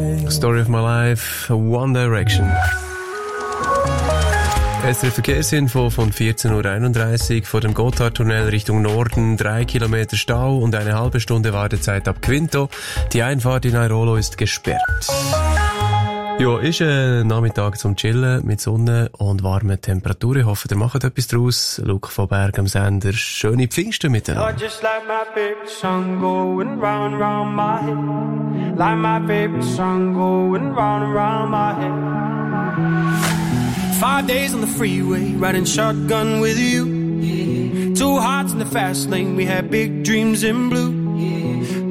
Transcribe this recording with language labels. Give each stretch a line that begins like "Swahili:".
English: Story of my life, One Direction.
German: SRF Verkehrsinfo von 14.31 Uhr vor dem Gotthardtunnel Richtung Norden. 3 Kilometer Stau und eine halbe Stunde Wartezeit ab Quinto. Die Einfahrt in Airolo ist gesperrt. Ja, ist ein Nachmittag zum Chillen mit Sonne und warmen Temperaturen. Ich hoffe, ihr macht etwas draus. Luke von Berg am Sender. Schöne Pfingsten miteinander.
English: Oh, just like my favorite song going round, round my head. Like my favorite song going round, round my head. 5 days on the freeway, riding shotgun with you. Yeah. 2 hearts in the fast lane, we had big dreams in blue. Yeah.